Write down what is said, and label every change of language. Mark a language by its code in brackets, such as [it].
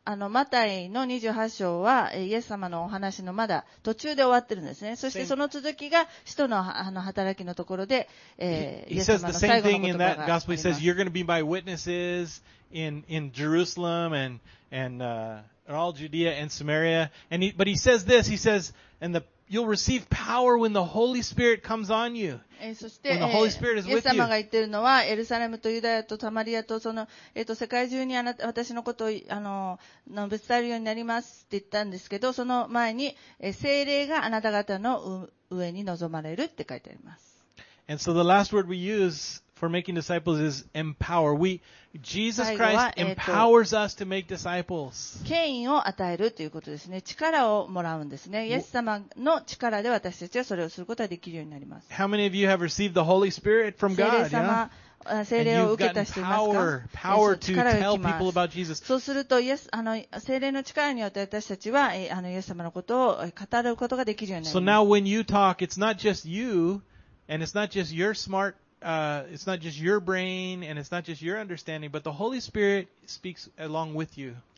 [ja] マタイの28章は、イエス様のお話のまだ途中で終わってるんですね。そしてその続きが、使徒の働きのところで、イエス様の最後の言葉があります。 [en] He says the same thing in that gospel. He says, you're going to be my witnesses in Jerusalem and all Judea and Samaria. But he says this, he says, and the, you'll receive power when the Holy Spirit comes on you. [ja] そして、イエス様が言ってるのは、エルサレムとユダヤとサマリアと、世界中にあなた、私のことを、述べ伝えるようになりますって言ったんですけど、その前に、聖霊があなた方の上に臨まれるって書いてあります。 [en] And so the last word we use for making disciples is empower. Jesus Christ empowers us to make disciples. [ja] 権威を与えるということですね。力をもらうんですね。イエス様の力で私たちはそれをすることができるようになります。 [en] How many of you have received the Holy Spirit from God? [ja] 聖霊を受けた人いますか? [en] Power to tell people about Jesus. [ja] そうすると、聖霊の力によって私たちはイエス様のことを語ることができるようになります。 [en] So now when you talk, it's not just you. And it's not just your smart, it's not just your brain, and it's not just your understanding, but the Holy Spirit speaks along with you.